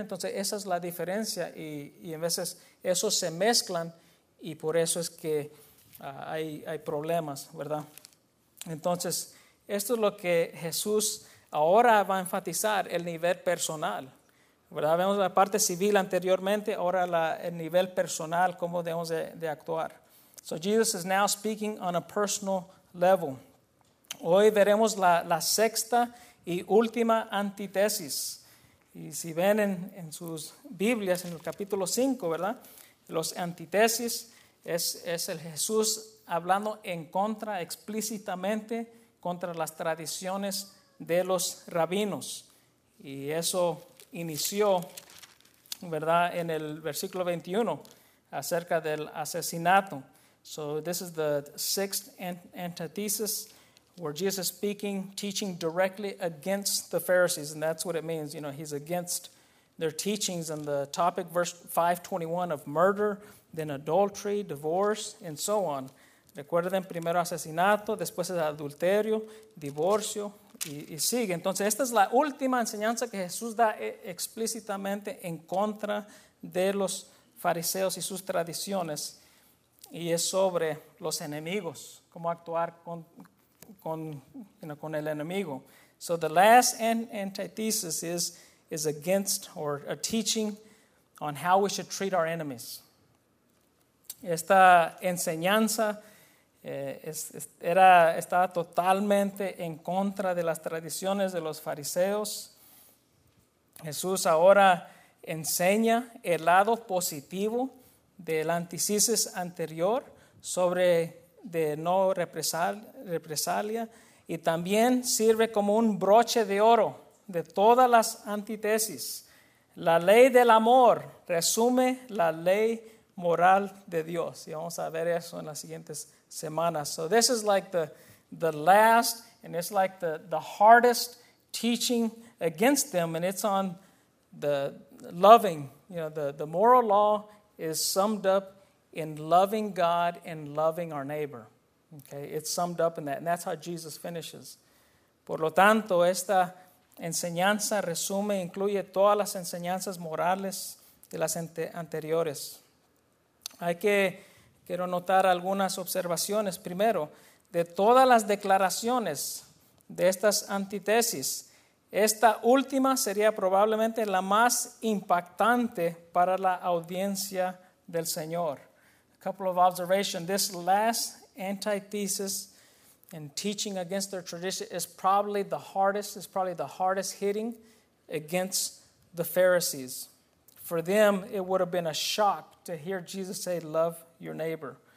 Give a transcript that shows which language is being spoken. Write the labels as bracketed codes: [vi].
[es] Entonces, esa es la diferencia, y en veces eso se mezclan, y por eso es que hay problemas, ¿verdad? Entonces, esto es lo que Jesús ahora va a enfatizar, el nivel personal, ¿verdad? Vemos la parte civil anteriormente, ahora el nivel personal, cómo debemos de actuar. [en] So Jesus is now speaking on a personal level. [es] Hoy veremos la sexta y última antítesis. Y si ven en sus Biblias, en el capítulo 5, ¿verdad? Los antítesis es el Jesús hablando en contra, explícitamente, contra las tradiciones de los rabinos. Y eso inició, ¿verdad?, en el versículo 21 acerca del asesinato. [en] So this is the sixth antithesis where Jesus is speaking, teaching directly against the Pharisees, and that's what it means. You know, he's against their teachings on the topic, verse 5:21, of murder, then adultery, divorce, and so on. [es] Recuerden, primero asesinato, después es adulterio, divorcio, y sigue. Entonces, esta es la última enseñanza que Jesús da explícitamente en contra de los fariseos y sus tradiciones. y es sobre los enemigos, cómo actuar con el enemigo. [en] So the last antithesis is against or a teaching on how we should treat our enemies. [es] Esta enseñanza estaba totalmente en contra de las tradiciones de los fariseos. Jesús ahora enseña el lado positivo del antithesis anterior sobre de no represalia, y también sirve como un broche de oro de todas las antitesis. La ley del amor resume la ley moral de Dios. Y vamos a ver eso en las siguientes semanas. [en] So this is like the last, and it's like the hardest teaching against them, and it's on the loving. You know, the moral law is summed up in loving God and loving our neighbor. Okay, it's summed up in that, and that's how Jesus finishes. [es] Por lo tanto, esta enseñanza resume e incluye todas las enseñanzas morales de las anteriores. Quiero notar algunas observaciones. Primero, de todas las declaraciones de estas antitesis, esta última sería probablemente la más impactante para la audiencia del Señor. [en] A couple of observations. This last antithesis and teaching against their tradition is probably the hardest hitting against the Pharisees. For them, it would have been a shock to hear Jesus say, love your neighbor.